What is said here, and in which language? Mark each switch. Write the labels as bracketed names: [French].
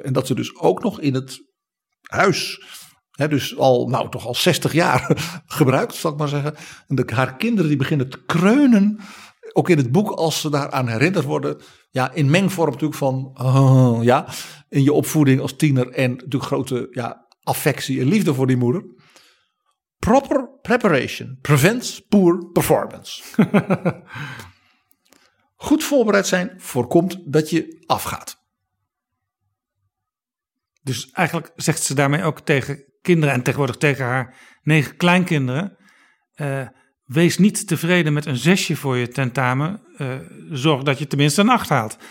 [Dutch] En dat ze dus ook nog in het huis, hè, dus al, nou, toch al 60 jaar gebruikt, zal ik maar zeggen. En haar kinderen die beginnen te kreunen, ook in het boek, als ze daaraan herinnerd worden. Ja, in mengvorm natuurlijk van, ja, in je opvoeding als tiener en natuurlijk grote, ja, affectie en liefde voor die moeder. [English] Proper preparation prevents poor performance. [Dutch] Goed voorbereid zijn voorkomt dat je afgaat. Dus eigenlijk zegt ze daarmee ook tegen kinderen en tegenwoordig tegen haar 9 kleinkinderen. Wees niet tevreden met een 6 voor je tentamen. Zorg dat je tenminste een 8 haalt.